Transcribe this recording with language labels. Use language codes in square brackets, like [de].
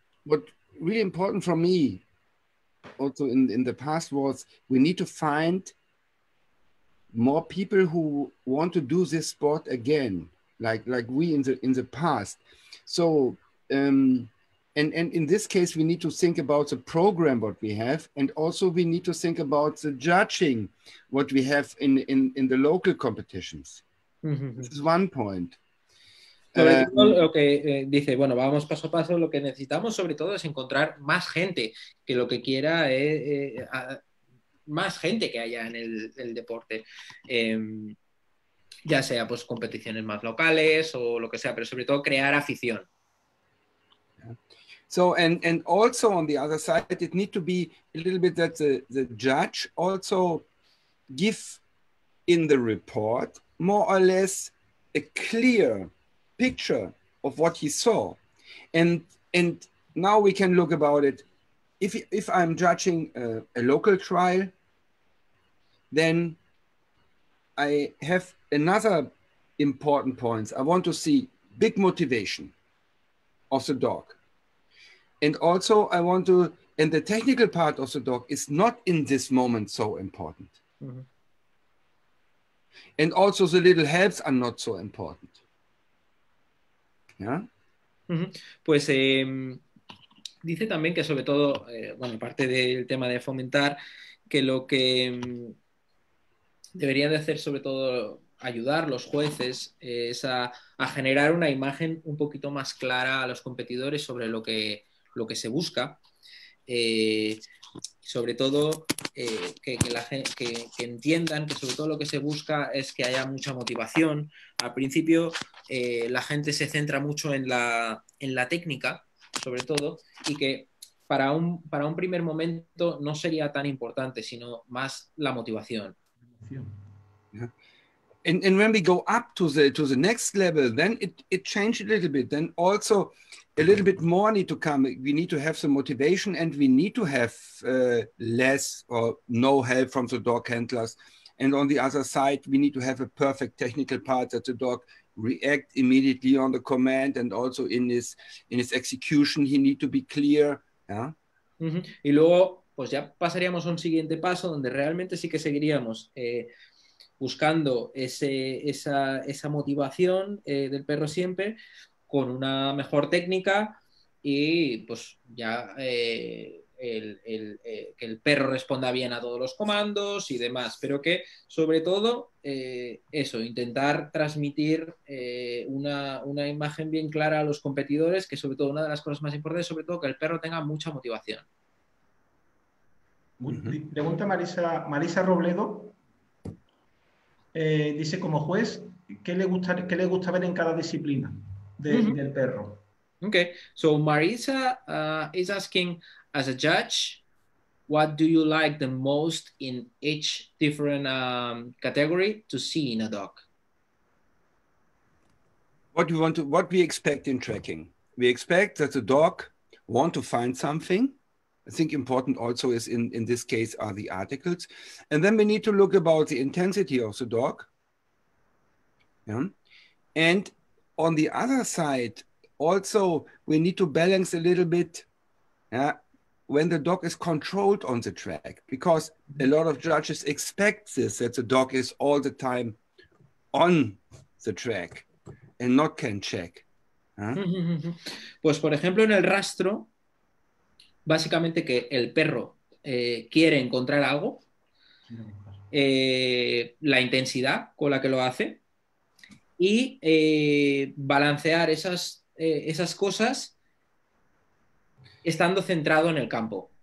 [en] What really important for me also in the past was we need to find more people who want to do this sport again, like we in the past. So and in this case we need to think about the program what we have, and also we need to think about the judging what we have in the local competitions. Mm-hmm. This is one point. [es] Lo que dice, bueno, vamos paso a paso. Lo que necesitamos sobre todo es encontrar más gente que lo que quiera es más gente que haya en el deporte, ya sea pues competiciones más locales o lo que sea, pero sobre todo crear afición. [en] So and also on the other side, it need to be a little bit that the judge also give in the report more or less a clear picture of what he saw, and now we can look about it. If I'm judging a local trial, then I have another important point. I want to see big motivation of the dog. And also I want to, and the technical part of the talk is not in this moment so important. Mm-hmm. And also the little helps are not so important. Yeah? Mm-hmm. [es] Pues, dice también que sobre todo, bueno, aparte del tema de fomentar, que lo que deberían de hacer sobre todo ayudar los jueces es a generar una imagen un poquito más clara a los competidores sobre lo que se busca. Sobre todo que entiendan que sobre todo lo que se busca es que haya mucha motivación. Al principio la gente se centra mucho en la técnica, sobre todo, y que para un primer momento no sería tan importante, sino más la motivación. [en] Yeah. And when we go up to the next level, then it changed a little bit. Then also a little bit more need to come. We need to have some motivation, and we need to have less or no help from the dog handlers. And on the other side, we need to have a perfect technical part that the dog react immediately on the command, and also in his execution, he need to be clear. Yeah. Mm-hmm. [es] Y luego, pues ya pasaríamos a un siguiente paso donde realmente sí que seguiríamos buscando esa motivación del perro siempre con una mejor técnica y pues ya que el perro responda bien a todos los comandos y demás, pero que sobre todo eso, intentar transmitir una imagen bien clara a los competidores, que sobre todo una de las cosas más importantes, sobre todo que el perro tenga mucha motivación. Pregunta Marisa Robledo. Dice, como juez, ¿qué le gusta ver en cada disciplina del perro? [en] Okay, so Marisa is asking, as a judge, what do you like the most in each different category to see in a dog? What we expect in tracking? We expect that the dog want to find something. I think important also is in this case are the articles. And then we need to look about the intensity of the dog. Yeah. And on the other side, also, we need to balance a little bit when the dog is controlled on the track, because a lot of judges expect this, that the dog is all the time on the track and not can check. [es] Pues, por ejemplo, en el rastro, básicamente que el perro quiere encontrar algo, la intensidad con la que lo hace y balancear esas cosas estando centrado en el campo.